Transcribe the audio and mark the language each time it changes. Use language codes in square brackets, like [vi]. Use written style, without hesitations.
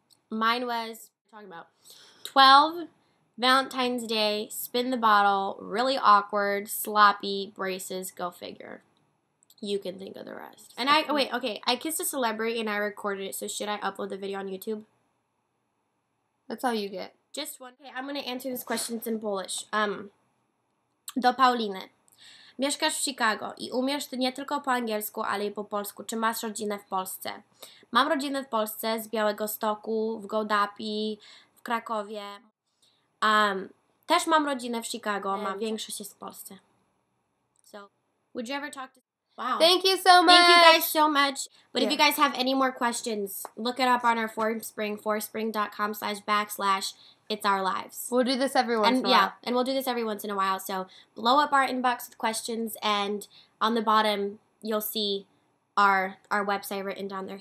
[en] Mine was, what are you talking about? 12... Valentine's Day, spin the bottle, really awkward, sloppy, braces, go figure. You can think of the rest. And I kissed a celebrity and I recorded it, so should I upload the video on YouTube? That's all you get. Just one. Okay, I'm going to answer this question in Polish. [pl] Do Pauliny. Mieszkasz w Chicago i umiesz ty nie tylko po angielsku, ale i po polsku. Czy masz rodzinę w Polsce? Mam rodzinę w Polsce, z Białego Stoku, w Gołdapi, w Krakowie. Też mam rodzinę w Chicago, ma większość jest w Polsce. [en] So, would you ever talk to... Wow. Thank you so much! Thank you guys so much! But yeah. If you guys have any more questions, look it up on our Formspring, formspring.com// It's Our Lives. We'll do this every once in a while. Yeah, and we'll do this every once in a while. So, blow up our inbox with questions, and on the bottom, you'll see our website written down there.